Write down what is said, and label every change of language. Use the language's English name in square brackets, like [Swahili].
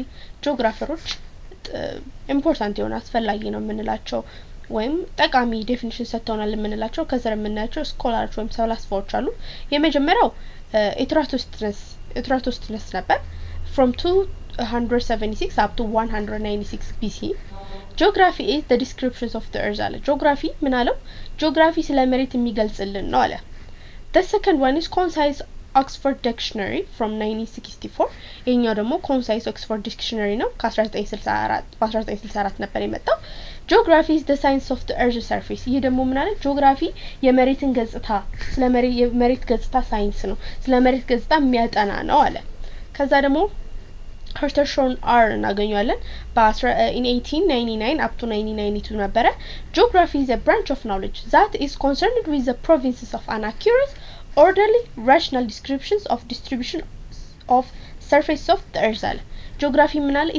[Amharic] እንግዲህ ጂኦግራፈሮች important የሆነ አስፈላጊ ነው የምንላቸው ወይም ጠቃሚ definition ሰጥተውናል የምንላቸው ከዘር የምናያቸው ስኮላሮች ወይም ፈላስፋዎች አሉ። የመጀመሪያው ኤትራቶስትነስ ነበር። [English] From 276 up to 196 BC. ጂኦግራፊ is the descriptions of the earth አለ። [Amharic] ጂኦግራፊ ምን አለው? ጂኦግራፊ ስለ መሬት የሚገልጽልን ነው አለ። [English] The second one is concise Oxford Dictionary from 1964. [Amharic] የኛው ደግሞ concise Oxford Dictionary ነው ከ1964 ነበር የመጣው። [English] ጂኦግራፊ ኢዝ ዘ ሳይንስ ኦፍ ዘ ኤርዝ ሰርፌስ። [Amharic] ይሄ ደግሞ ምን አለ? ጂኦግራፊ የመሬትን ገጽታ ስለ መሬት ገጽታ ሳይንስ ነው፣ ስለ መሬት ገጽታ የሚያጠና ነው አለ። [English] ከዛ ደግሞ ሄርተር ሾን አር እናገኘዋለን በ1899 አፕ ቱ 1992 ነበረ። ጂኦግራፊ ኢዝ ኤ ብራንች ኦፍ ናውሌጅ ዛት ኢዝ ኮንሰርንድ ዊዝ ዘ ፕሮቪንስስ ኦፍ አን አኪውረት orderly rational descriptions of distribution of surface of the earth አለ። ጂኦግራፊ ምናለ?